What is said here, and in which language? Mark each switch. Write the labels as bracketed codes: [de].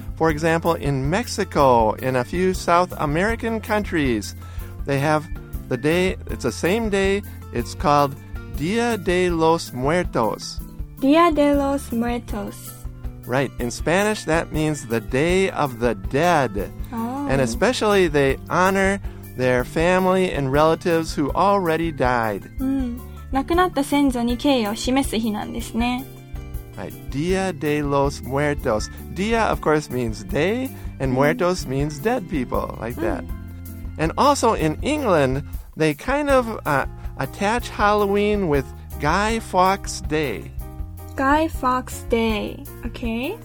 [en] For example, in Mexico, in a few South American countries, they have the day, it's the same day, it's called Dia de los Muertos. [es] Dia de los Muertos. [en] Right, in Spanish that means the Day of the Dead. Oh. And especially they honor... their family and relatives who already died. [ja] 亡くなった先祖に敬意を示す日なんですね。 [en] Right. Dia de los Muertos. Dia, of course, means day, and muertos means dead people, like that. And also in England, they kind of attach Halloween with Guy Fawkes Day. Guy Fawkes Day, okay.